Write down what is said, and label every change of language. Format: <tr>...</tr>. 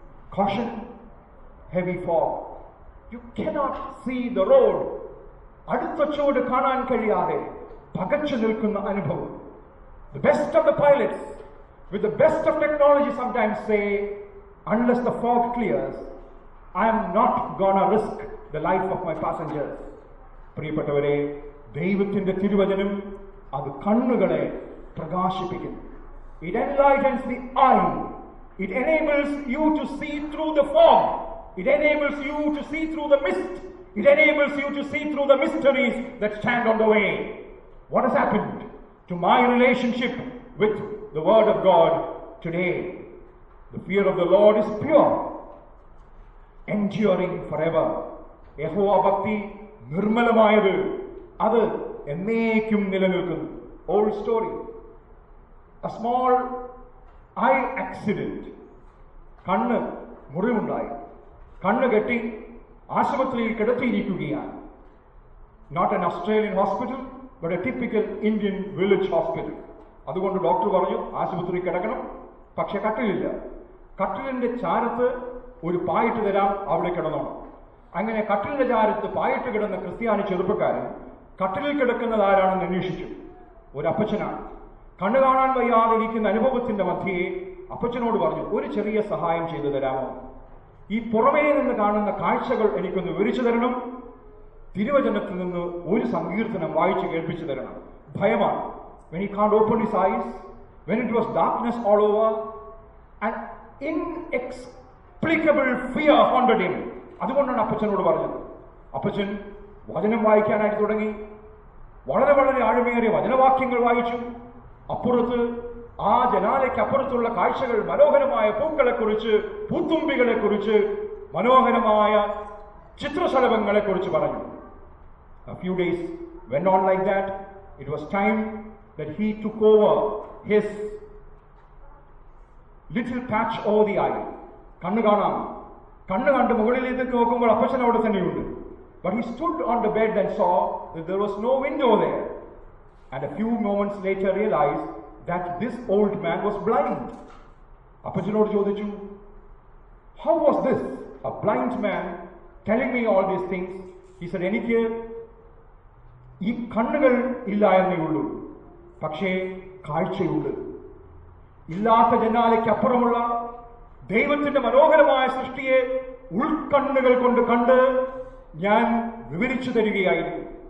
<en>Caution, heavy fog. You cannot see the road.</en> <ml>Adutha chodu kaanan kaliyade pagachu nilkunna anubhavam.</ml> <en>The best of the pilots with the best of technology sometimes say, unless the fog clears, I am not gonna risk the life of my passengers.</en> <ml>Priyappettavare, devathinte thiruvajanam adu kannugale പ്രകാശിപ്പിക്കുന്നു.</ml> <en>It enlightens the eye. It enables you to see through the fog. It enables you to see through the mist. It enables you to see through the mysteries that stand on the way. What has happened to my relationship with the word of God today? The fear of the Lord is pure, enduring forever.</en> <ml>യഹോവ ഭക്തി നിർമ്മലമായത്, അത് എന്നേക്കും നിലനിൽക്കുന്നു.</ml> <en>Old story. A small eye accident.</en> <ml>കണ്ണ് മുറിവുണ്ടായി. കണ്ണ് കെട്ടി ആശുപത്രിയിൽ കിടത്തിയിരിക്കുകയാണ്.</ml> <en>Not an Australian hospital, but a typical Indian village hospital.</en> <ml>അതുകൊണ്ട് ഡോക്ടർ പറഞ്ഞു ആശുപത്രിയിൽ കിടക്കണം, പക്ഷെ കട്ടിലില്ല. കട്ടിലിന്റെ ചാരത്ത് ഒരു പായിട്ട് തരാം, അവിടെ കിടന്നോണം. അങ്ങനെ കട്ടിലിന്റെ ചാരത്ത് പായിട്ട് കിടന്ന ക്രിസ്ത്യാനി ചെറുപ്പക്കാരൻ കട്ടിലിൽ കിടക്കുന്നത് ആരാണെന്ന് അന്വേഷിച്ചു. ഒരപ്പച്ചനാണ്. കണ്ണു കാണാൻ വയ്യാതെ ഇരിക്കുന്ന അനുഭവത്തിന്റെ മധ്യയെ അപ്പച്ചനോട് പറഞ്ഞു, ഒരു ചെറിയ സഹായം ചെയ്തു തരാമോ? ഈ പുറമേ നിന്ന് കാണുന്ന കാഴ്ചകൾ എനിക്കൊന്ന് വിവരിച്ചു തരണം. തിരുവചനത്തിൽ നിന്ന് ഒരു സങ്കീർത്തനം വായിച്ചു കേൾപ്പിച്ചു തരണം. ഭയമാണ്.</ml> <en>When he can't open his eyes, when it was darkness all over, an inexplicable fear haunted him.</en> <ml>അതുകൊണ്ടാണ് അപ്പച്ചനോട് പറഞ്ഞത്. അപ്പച്ചൻ വചനം വായിക്കാനായിട്ട് തുടങ്ങി. വളരെ വളരെ ആഴമേറിയ വചനവാക്യങ്ങൾ വായിച്ചു. അപ്പുറത്ത് ആ ജനാലയ്ക്കപ്പുറത്തുള്ള കാഴ്ചകൾ, മനോഹരമായ പൂക്കളെക്കുറിച്ച്, പൂത്തുമ്പികളെക്കുറിച്ച്, മനോഹരമായ ചിത്രശലഭങ്ങളെക്കുറിച്ച് പറഞ്ഞു.</ml> <en>A few days went on like that. It was time that he took over his little patch over the eye.</en> <ml>കണ്ണു കാണാം. കണ്ണു കണ്ട് മുകളിലേക്ക് നോക്കുമ്പോൾ അപ്പച്ചൻ അവിടെ തന്നെയുണ്ട്.</ml> <en>But he stood on the bed and saw that there was no window there. And a few moments later realized that this old man was blind.</en> <ml>Appachanodu chodichu,</ml> <en>how was this, a blind man telling me all these things? He said,</en> <ml>enikku ഈ കണ്ണുകൾ ഇല്ല എന്നേ ഉള്ളൂ, പക്ഷേ കാഴ്ചയുണ്ട്. ഇല്ലാത്ത ജനാലയ്ക്കപ്പുറമുള്ള ദൈവത്തിന്റെ മനോഹരമായ സൃഷ്ടിയെ ഉൾക്കണ്ണുകൾ കൊണ്ട് കണ്ട് ഞാൻ വിവരിച്ചു തരികയായിരുന്നു.</ml>